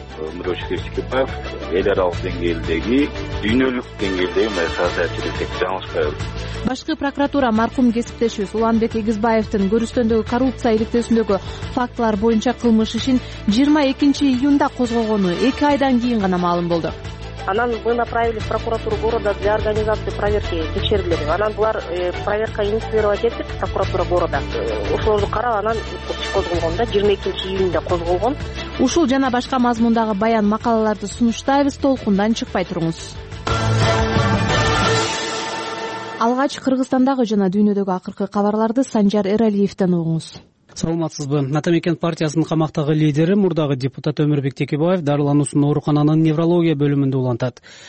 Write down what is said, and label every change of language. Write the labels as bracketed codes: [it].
[ky] Өмүрбек Текебаев эл аралык деңгээлдеги, дүйнөлүк деңгээлдеги саясатчы десек жаңылышпайбыз. Башкы прокуратура маркум кесиптешибиз Уланбек Эгизбаевдин көрүстөндөгү коррупция иликтөөсүндөгү фактылар боюнча кылмыш ишин 22 июнда козгогону 2 айдан кийин гана маалым болду. Анан [ru] мы направили в прокуратуру города для организации проверки [ky] текшерилери. Анан булар [ru] проверка инициировать [ky] этип [ru] прокуратура города. [ky] Ошолорду карап анан иш козголгон да 22 июнда козголгон. Ушул жана башка мазмундагы баян макалаларды сунуштайбыз, толкундан чыкпай туруңуз. Алгач Кыргызстандагы жана дүйнөдөгү акыркы кабарларды Санжар Эралиевден угуңуз. Саламатсызбы. Ата мекен партиясынын камактагы лидери, мурдагы депутат Өмүрбек Текебаев дарылануусун оорукананын неврология бөлүмүндө улантат.